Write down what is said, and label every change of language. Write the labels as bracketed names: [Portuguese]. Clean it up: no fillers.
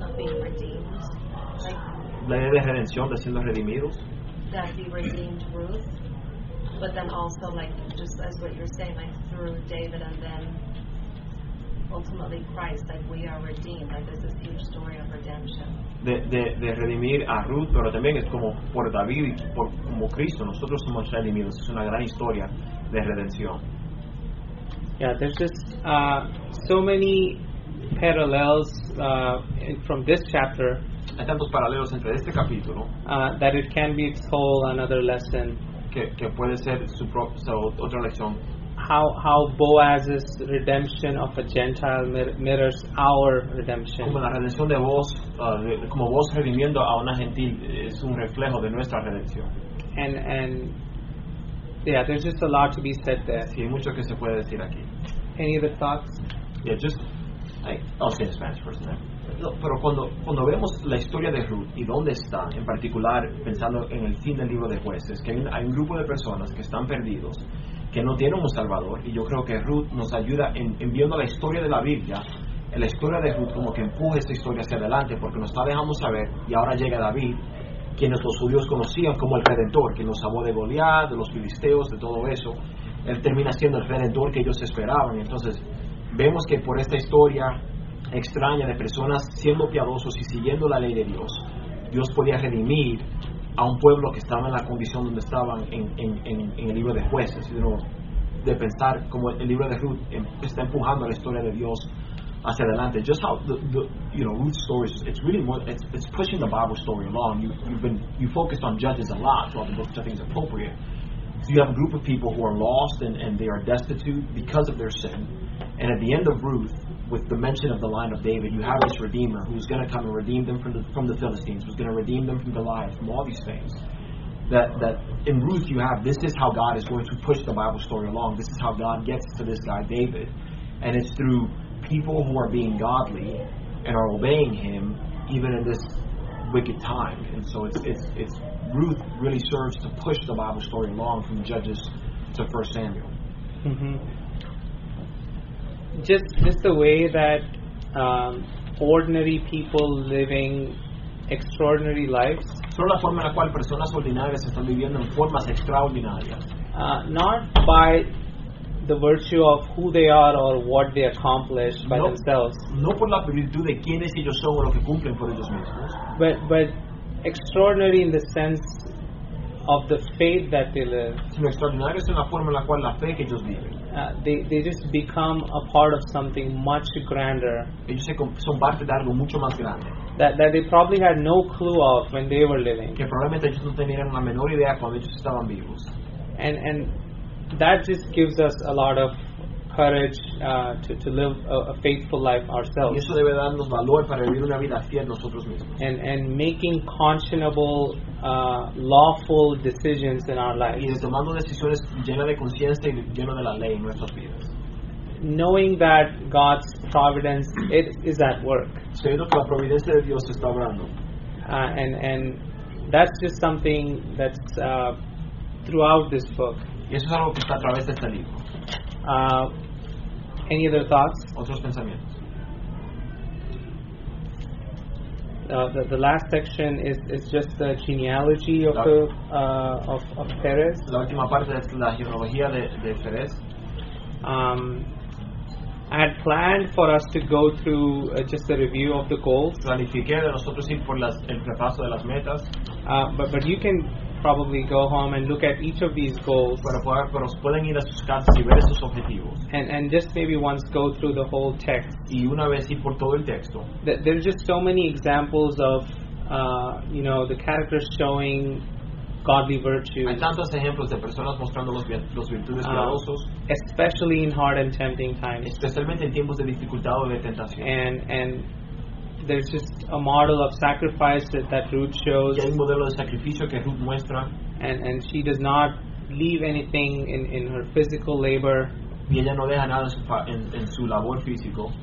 [English] Just the idea of the redemption, of being redeemed. Like, that he redeemed Ruth, but then also, like, just as what you're saying, like, through David and then ultimately Christ, like, we are redeemed. Like, there's this huge story of redemption. [Spanish] De redimir a Ruth, pero también es como por David y por como Cristo. Nosotros somos redimidos. Es una gran historia de redención. [English] Yeah, there's just so many parallels from this chapter. [Spanish] Hay tantos paralelos entre este capítulo. [English] That it can be its whole another lesson. [Spanish] Que puede ser su propia otra lección. [English] How Boaz's redemption of a Gentile mirrors our redemption. [Spanish] Como la redención de Boaz, como Boaz redimiendo a una gentil, es un reflejo de nuestra redención. [English] And yeah, there's just a lot to be said there. [Spanish] Sí, hay mucho que se puede decir aquí. [English] Any other thoughts? Yeah, just. I'll say in Spanish first. [Spanish] No, pero cuando vemos la historia de Ruth y dónde está, en particular pensando en el fin del libro de Jueces, que hay un grupo de personas que están perdidos, que no tienen un Salvador, y yo creo que Ruth nos ayuda en viendo la historia de la Biblia, la historia de Ruth como que empuja esta historia hacia adelante, porque nos está dejando saber, y ahora llega David, que nuestros judíos conocían como el Redentor, que nos amó de Goliat, de los filisteos, de todo eso. Él termina siendo el Redentor que ellos esperaban. Entonces, vemos que por esta historia extraña de personas siendo piadosos y siguiendo la ley de Dios, Dios podía redimir a un pueblo que estaba en la condición donde estaban en el libro de Jueces. Y de pensar como el libro de Ruth está empujando la historia de Dios hacia adelante. [English] Just how Ruth's story is, it's really more, it's pushing the Bible story along. You focused on Judges a lot throughout the book, which I think is appropriate. So you have a group of people who are lost and they are destitute because of their sin. And at the end of Ruth, with the mention of the line of David, you have this Redeemer who's going to come and redeem them from the Philistines, who's going to redeem them from Goliath, from all these things. That in Ruth you have, this is how God is going to push the Bible story along. This is how God gets to this guy, David. And it's through people who are being godly and are obeying him, even in this wicked time. And so it's Ruth really serves to push the Bible story along from Judges to 1 Samuel. Mm-hmm. Just the way that ordinary people living extraordinary lives. [Spanish] Solo la forma en la cual personas ordinarias están viviendo en formas extraordinarias. [English] Not by the virtue of who they are or what they accomplish by themselves. [Spanish] No por la virtud de quiénes ellos son o lo que cumplen por ellos mismos. [English] But extraordinary in the sense of the faith that they live. [Spanish] Sino extraordinarios en la forma en la cual la fe que ellos viven. [English] They just become a part of something much grander. [Spanish] Ellos son parte de algo mucho más grande. [English] That they probably had no clue of when they were living. [Spanish] Que probablemente ellos no tenían la menor idea cuando ellos estaban vivos. [English] And that just gives us a lot of courage to live a faithful life ourselves. [Spanish] Y eso debe darnos valor para vivir una vida fiel nosotros mismos. [English] And making conscionable, lawful decisions in our lives. [Spanish] Y de tomando decisiones llenas de conciencia y llenas de la ley en nuestras vidas. [English] Knowing that God's providence it is at work. [Spanish] Sabiendo que la providencia de Dios está obrando. [English] And that's just something that's throughout this book. [Spanish] Y eso es algo que está a través de este libro. [English] Any other thoughts? [Spanish] Otros pensamientos. [English] The last section is just the genealogy of Perez. [Spanish] La última parte es la genealogía de Perez. [English] I had planned for us to go through just a review of the goals. [Spanish] Planifiqué de nosotros ir por el repaso de las metas. [English] But you can probably go home and look at each of these goals. [Spanish] Pero pueden ir a sus casas y ver esos objetivos. [English] And just maybe once go through the whole text. [Spanish] Y una vez ir por todo el texto. [English] There's just so many examples of the characters showing godly virtues. [Spanish] Hay tantos ejemplos de personas mostrando los virtudes piadosos, [English] especially in hard and tempting times. [Spanish] Especialmente en tiempos de dificultad o de tentación. [English] And there's just a model of sacrifice that Ruth shows. [Spanish] Y hay un modelo de sacrificio que Ruth muestra. [English] And she does not leave anything in her physical labor. [Spanish] Y ella no deja nada en su labor físico.